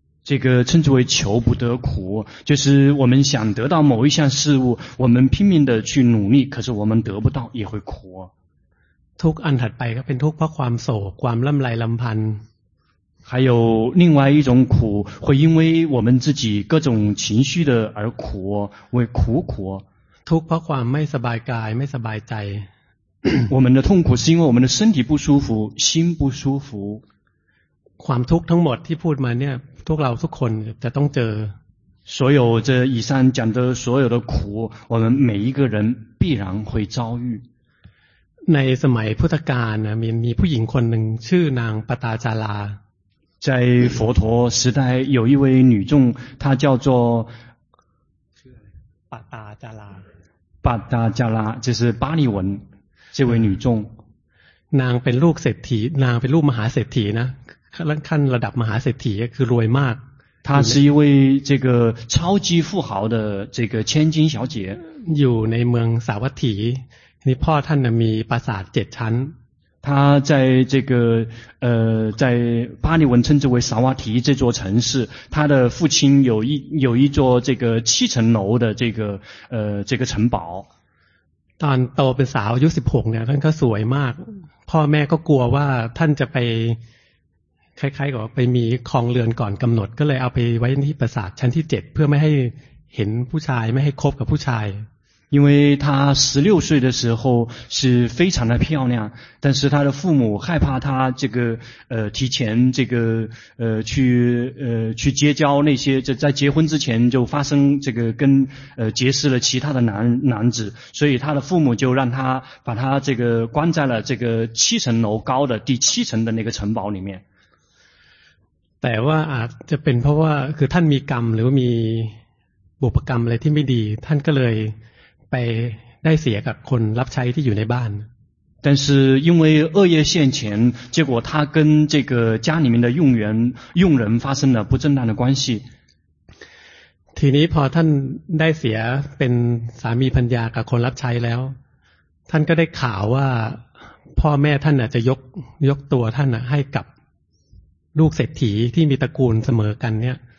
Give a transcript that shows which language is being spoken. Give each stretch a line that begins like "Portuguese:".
Chinese: 这个称之为求不得苦就是我们想得到某一项事物我们拼命的去努力可是我们得不到也会苦
Thai: ทุกอันถัดไปก็เป็นทุกเพราะความโศกความล่ำไรลำพันธ์
Chinese: 还有另外一种苦会因为我们自己各种情绪的而苦为苦苦
Thai: ทุกข์เพราะความไม่สบายกายไม่สบายใจ
Chinese: 我们的痛苦是因为我们的身体不舒服心不舒服
Thai: ความทุกข์ทั้งหมดที่พูดมาเนี่ยพวกเราทุกคนจะต้องเจ
Chinese: อ所有这以上讲的所有的苦我们每一个人必然会遭遇
Thai: ในสมัยพุทธกาลมีผู้หญิงคนหนึ่งชื่อนางปตาจารา
Chinese: 在佛陀时代有一位女众她叫做巴达加拉巴达加拉这是巴利文这位女众
Thai: นางเป็นลูกเศรษฐีนางเป็นลูกมหาเศรษฐีนะขั้นระดับมหาเศรษฐีคือรวยมาก
Chinese: 她是一位这个超级富豪的这个千金小姐
Thai: อยู่ในเมืองสาวัตถีนี่พ่อท่านมีปราสาท7ชั้น
Chinese: 他在这个在巴利文称之为萨瓦提这座城市，他的父亲有一座这个七层楼的这个城堡。
Thai: ตอนโตเป็นสาวอายุ16เนี่ยท่านก็สวยมากพ่อแม่ก็กลัวว่าท่านจะไป คล้ายๆกับไปมีคลองเรือนก่อนกำหนดก็เลยเอาไปไว้ที่ปราสาทชั้นที่7เพื่อไม่ให้เห็นผู้ชายไม่ให้คบกับผู้ชาย
Chinese: 因为他16岁的时候是非常的漂亮但是他的父母害怕他这个提前这个去结交那些在结婚之前就发生这个跟结识了其他的男子所以他的父母就让他把他这个关在了这个七层楼高的第七层的那个城堡里面
Thai: แต่ว่าอาจจะเป็นเพราะว่าคือท่านมีกรรมหรือมีบุพกรรมอะไรที่ไม่ดีท่านก็เลยไปได้เสียกับคนรับใช้ที่อยู่ในบ้าน
Chinese: 但是因为恶业现前结果他跟这个家里面的佣人发生了不正当的关系
Thai: ทีนี้พอท่านได้เสียเป็นสามีภรรยากับคนรับใช้แล้วท่านก็ได้ข่าวว่าพ่อแม่ท่านจะยกตัวท่านให้กับลูกเศรษฐีที่มีตระกูลเสมอกันเนี่ย